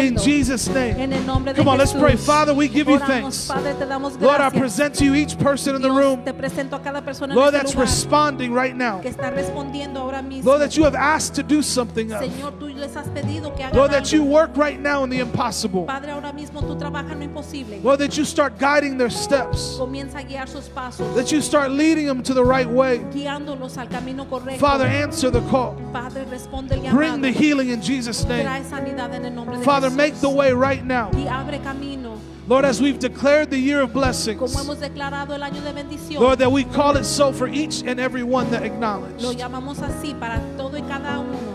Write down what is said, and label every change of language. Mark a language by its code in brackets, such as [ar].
[en] In Jesus' name. [es] En el nombre de [en] come on, [es] Jesús. [en] Let's pray. Father, we give [es] oramos, [en] you thanks. [es] Padre, te damos gracias. [en] Lord, I present to you each person [es] Dios, [en] in the room. [es] Te presento a cada persona [en] Lord, [es] en este lugar, [en] responding right now. [es] Que está respondiendo ahora mismo. [en] Lord, that you have asked to do something else. [es] Señor, tú les has pedido que hagan [en] Lord, that you work right now in the impossible. [es] Padre, ahora mismo tú trabajas en lo imposible. [en] Lord, that you start guiding their steps. [es] Comienza a guiar sus pasos. [en] That you start leading them to the right way. [es] Guiándolos al camino correcto. [en] Father, answer the call. [es] Padre, responde el llamado. [en] Bring the healing in Jesus' name. [es] Trae sanidad en el nombre de [en] Father, [es] Jesús. [en] Make the way right now. [es] Y abre camino. [en] Lord, as we've declared the year of blessings, [es] como hemos declarado el año de bendición, [en] Lord, that we call it so for each and every one that acknowledged. [es] Lo llamamos así para todo y cada uno.